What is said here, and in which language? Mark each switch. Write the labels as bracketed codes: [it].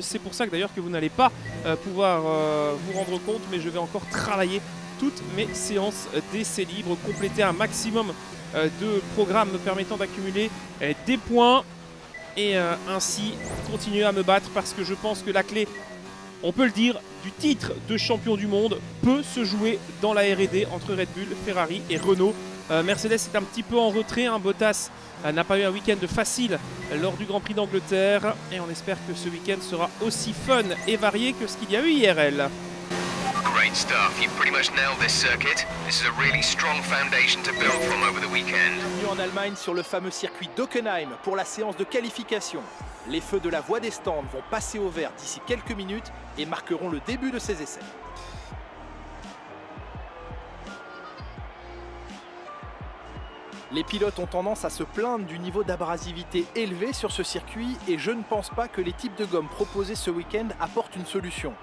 [fr] C'est pour ça que d'ailleurs que vous n'allez pas pouvoir vous rendre compte, mais je vais encore travailler toutes mes séances d'essais libres, compléter un maximum de programmes permettant d'accumuler des points et ainsi continuer à me battre, parce que je pense que la clé, on peut le dire, du titre de champion du monde peut se jouer dans la R&D entre Red Bull, Ferrari et Renault. Mercedes est un petit peu en retrait, hein. Bottas n'a pas eu un week-end facile lors du Grand Prix d'Angleterre et on espère que ce week-end sera aussi fun et varié que ce qu'il y a eu hier, elle. [en] Great stuff, you've pretty much nailed this circuit. This is a really strong foundation to build from over the weekend. [fr] Bienvenue en Allemagne sur le fameux circuit d'Hockenheim pour la séance de qualification. Les feux de la voie des stands vont passer au vert d'ici quelques minutes et marqueront le début de ces essais. Les pilotes ont tendance à se plaindre du niveau d'abrasivité élevé sur ce circuit et je ne pense pas que les types de gommes proposés ce week-end apportent une solution.